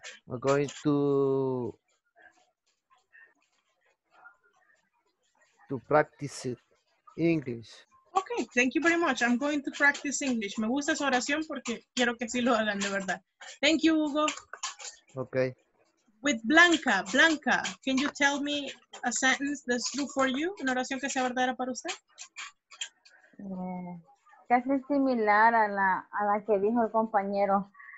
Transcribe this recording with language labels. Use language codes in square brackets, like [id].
[en] I'm going to practice English. Okay, thank you very much. I'm going to practice English. [es] Me gusta esa oración porque quiero que sí lo hagan de verdad. [en] Thank you, Hugo. Okay. With Blanca. Blanca, can you tell me a sentence that's true for you? [es] Una oración que sea verdadera para usted. Casi similar a la que dijo el compañero.